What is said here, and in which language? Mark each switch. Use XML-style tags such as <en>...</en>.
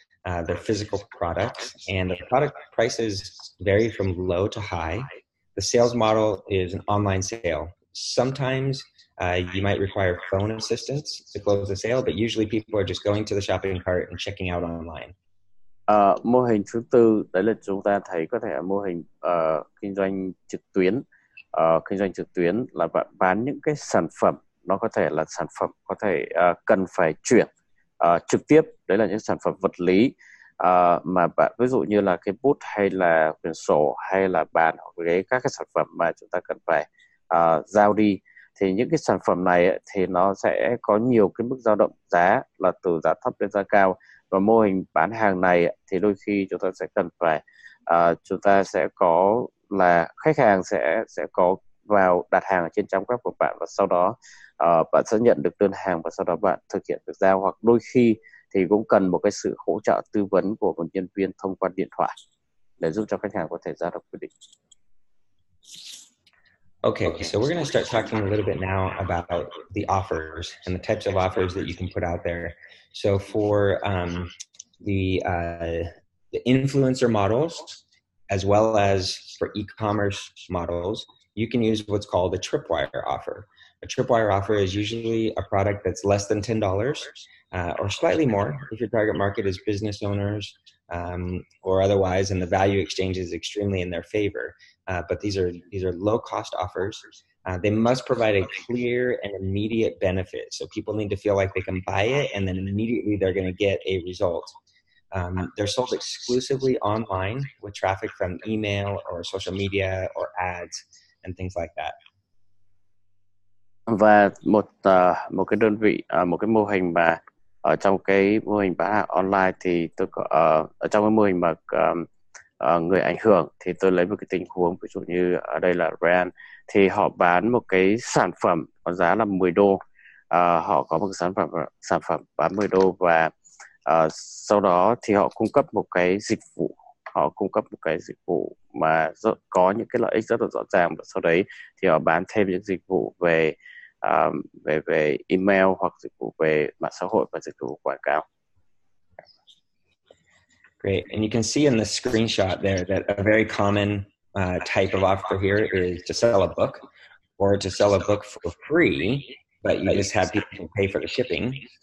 <en>They're physical products, and the product prices vary from low to high. The sales model is an online sale. Sometimes you might require phone assistance to close the sale, but usually people are just going to the shopping cart and checking out online.</en> <vi>Mô hình thứ tư, đấy là chúng ta thấy có thể mô hình kinh doanh trực tuyến. Kinh doanh trực tuyến là bạn bán những cái sản phẩm, nó có thể là sản phẩm có thể cần phải chuyển trực tiếp, đấy là những sản phẩm vật lý mà bạn ví dụ như là cái bút hay là quyển sổ hay là bàn hoặc ghế, các cái sản phẩm mà chúng ta cần phải giao đi. thì những cái sản phẩm này ấy, thì nó sẽ có nhiều cái mức dao động giá là từ giá thấp đến giá cao, và mô hình bán hàng này ấy, thì đôi khi chúng ta sẽ cần phải chúng ta sẽ có là khách hàng sẽ có vào đặt hàng ở trên trang web của bạn, và sau đó bạn sẽ nhận được đơn hàng và sau đó bạn thực hiện được giao, hoặc đôi khi thì cũng cần một cái sự hỗ trợ tư vấn của một nhân viên thông qua điện thoại để giúp cho khách hàng có thể ra được quyết định.</vi> <en>Okay, so we're going to start talking a little bit now about the offers and the types of offers that you can put out there. So for the influencer models, as well as for e-commerce models, you can use what's called a tripwire offer. A tripwire offer is usually a product that's less than $10 or slightly more if your target market is business owners or otherwise, and the value exchange is extremely in their favor. But these are low-cost offers. They must provide a clear and immediate benefit. So people need to feel like they can buy it and then immediately they're going to get a result. They're sold exclusively online with traffic from email or social media or ads and things like that.</en> <vi>Và một cái đơn vị một cái mô hình mà ở trong cái mô hình bán hàng online thì tôi có ở trong cái mô hình mà người ảnh hưởng thì tôi lấy một cái tình huống ví dụ như ở đây là Brand thì họ bán một cái sản phẩm có giá là $10, họ có một sản phẩm bán $10 và sau đó thì họ cung cấp một cái dịch vụ, họ cung cấp một cái dịch vụ mà có những cái lợi ích rất là rõ ràng, và sau đấy thì họ bán thêm những dịch vụ về về email hoặc dịch vụ về mạng xã hội và dịch vụ quảng cáo.</vi> <en>Great, and you can see in the screenshot there that a very common type of offer here is to sell a book or to sell a book for free, but you just have people pay for the shipping.</en>